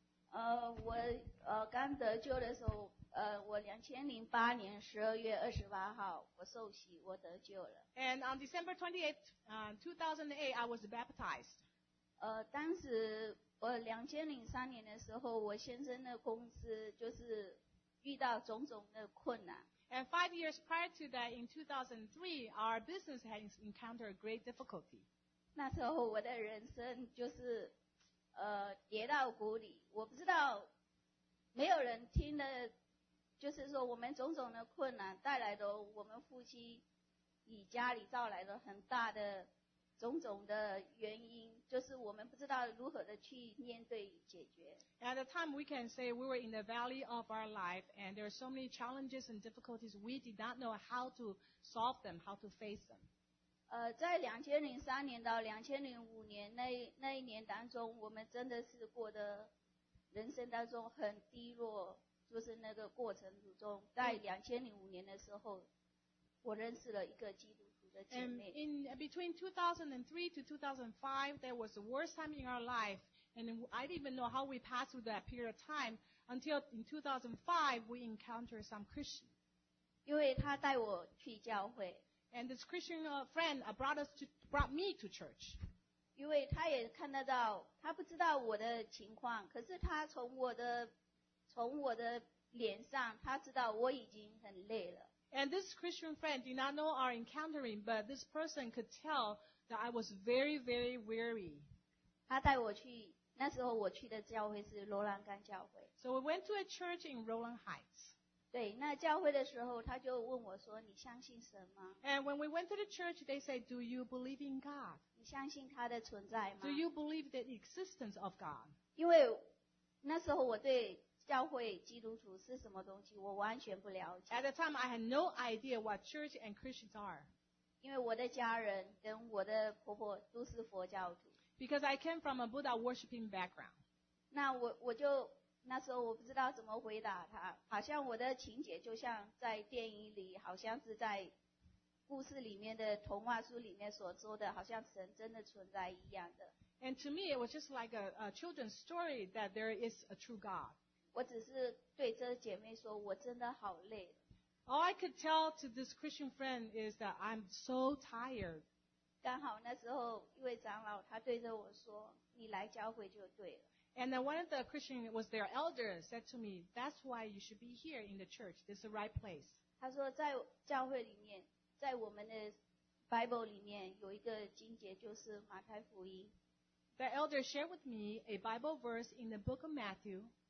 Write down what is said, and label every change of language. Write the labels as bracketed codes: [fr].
[zh] 我刚得救的时候，我2008年12月28号我受洗我得救了。 [en] And on December 28th, 2008, I was baptized. [zh] 当时我2003年的时候，我先生的公司就是遇到种种的困难。 [en] And 5 years prior to that, in 2003, our business has encountered a great difficulty. [zh] 那时候我的人生就是跌到谷底，我不知道，没有人听的，就是说我们种种的困难带来的，我们夫妻以家里造来的很大的种种的原因，就是我们不知道如何的去面对解决。 [en] At the time, we can say we were in the valley of our life, and there are so many challenges and difficulties. We did not know how to solve them, how to face them. [zh] 在2003年到2005年那一年当中，我们真的是过得人生当中很低落，就是那个过程之中，在2005年的时候，我认识了一个基督。 [en] And in between 2003 to 2005, there was the worst time in our life. And I didn't even know how we passed through that period of time until in 2005, we encountered some Christian. [zh] 因为他带我去教会。 [en] And this Christian friend brought me to church. [zh] 因为他也看得到，他不知道我的情况，可是他从我的脸上，他知道我已经很累了。 [en] And this Christian friend did not know our encountering, but this person could tell that I was very, very weary. [zh] 他带我去，那时候我去的教会是罗兰岗教会。 [en] So we went to a church in Roland Heights. [zh] 对，那教会的时候，他就问我说，你相信神吗？ [en] And when we went to the church, they said, do you believe in God? [zh] 你相信他的存在吗？ [en] Do you believe the existence of God? [zh] 因为那时候我对教会基督徒是什么东西我完全不了解。 [en] At the time, I had no idea what church and Christians are. [zh] 因为我的家人跟我的婆婆都是佛教徒。 [en] Because I came from a Buddha worshipping background. [zh] 那 我就那时候我不知道怎么回答他，好像我的情节就像在电影里，好像是在故事里面的童话书里面所说的，好像神真的存在一样的。 [en] And to me, it was just like a children's story that there is a true God. [zh] 我只是对这姐妹说，我真的好累。 [en] All I could tell to this Christian friend is that I'm so tired. [zh] 刚好那时候一位长老他对着我说，你来教会就对了。 [en] And then one of the Christian was their elder said to me, that's why you should be here in the church. This is the right place. [zh] 他说在教会里面，在我们的 Bible 里面有一个经节就是马太福音。 [en] The elder shared with me a Bible verse in the book of Matthew.